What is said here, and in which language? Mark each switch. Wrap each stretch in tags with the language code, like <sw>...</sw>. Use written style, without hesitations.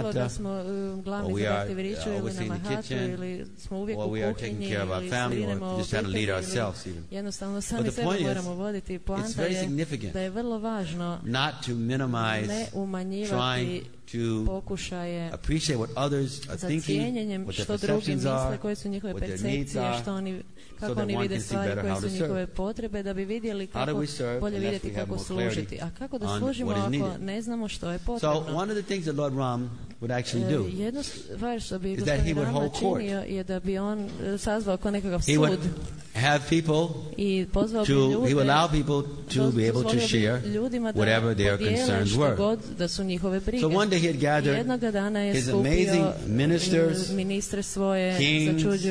<hr>Bilo da smo glavni direktori riksha ili namahata ili smo uvijek u kuhinji.</hr> <en>Or we are taking care of our family or just trying to lead ourselves even.</en> <hr>Jednostavno sami sebe moramo voditi. Poanta je da je vrlo važno</hr> <en>not to minimize,</en> <hr>ne umanjivati</hr> <en>to appreciate what others are thinking, what their perceptions are,</en> <hr>koje su njihove percepcije, što oni, kako oni vide stvari, koje su njihove potrebe, da bi vidjeli kako bolje vidjeti kako služiti. A kako da služimo ako ne znamo što je potrebno?</hr> <en>So one of the things that Lord Ram would actually do is that he would hold court.</en> <hr>Je da bi on sazvao kao nekakav sud.</hr> <en>He would have people to, he would allow people to be able to share whatever their concerns were. So one day he had gathered his amazing ministers, kings,</en>